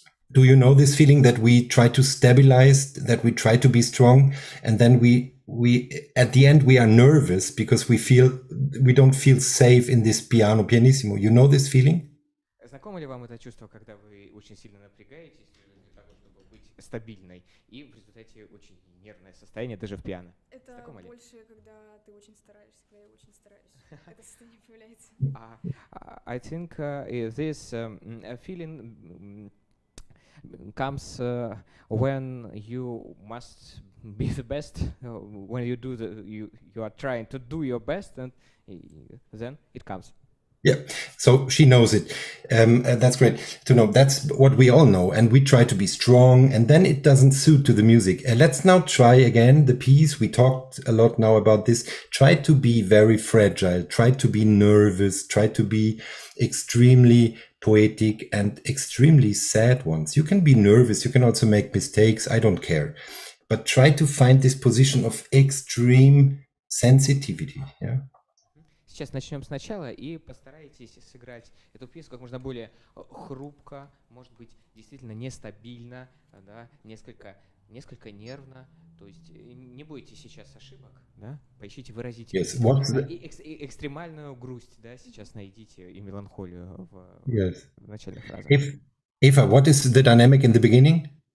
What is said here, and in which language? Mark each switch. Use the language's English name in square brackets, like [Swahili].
[English] Do you know this feeling that we try to stabilize, that we try to be strong, and then we at the end we are nervous because we feel we don't feel safe in this piano, pianissimo. You know this feeling? [Russian] Знакомо ли вам это чувство, когда вы очень сильно напрягаетесь для того, чтобы быть стабильной, и в результате очень нервное состояние даже в пиано? Это больше, когда ты очень стараешься, когда я очень стараюсь. Это состояние появляется. [English] I think this feeling comes when you must be the best, when you do you are trying to do your best, and then it comes. Yeah, so she knows it. That's great to know. That's what we all know. And we try to be strong, and then it doesn't suit to the music. Let's now try again the piece. We talked a lot now about this. Try to be very fragile. Try to be nervous. Try to be extremely poetic and extremely sad ones. You can be nervous. You can also make mistakes. I don't care. But try to find this position of extreme sensitivity. Yeah. [Russian] сейчас начнем сначала и постарайтесь сыграть эту пьесу как можно более хрупко, может быть, действительно нестабильно, да, несколько нервно. То есть не будете сейчас ошибок, да? Поищите выразительность. [English] Yes, [Russian] и экстремальную грусть, да, сейчас найдите и меланхолию в, [English] yes. [Russian] в начальной фразе. [English] Ifa, what is the dynamic in the beginning?